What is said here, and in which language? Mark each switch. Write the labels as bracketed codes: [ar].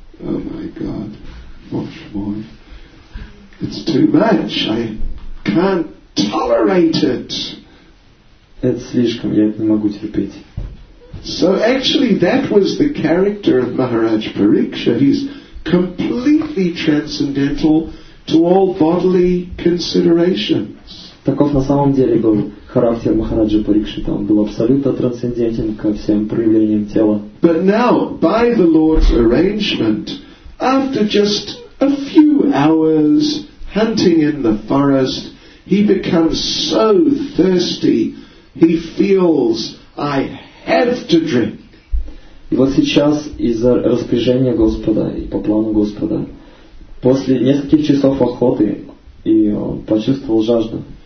[en] Oh my God, [ru] Боже мой. [en] It's too much, I can't tolerate it. [ru] Это слишком, я это не могу терпеть. [en] So actually that was the character of Maharaj Parikshit. He's completely transcendental to all bodily considerations. [ru] Таков на самом деле был характер Махараджа Парикшита. Он был абсолютно трансцендентен ко всем проявлениям тела. [en] But now, by the Lord's arrangement, after just a few hours hunting in the forest, he becomes so thirsty, he feels, I have to drink. [ru] И вот сейчас из-за распоряжения Господа и по плану Господа, после нескольких часов охоты, и он почувствовал жажду.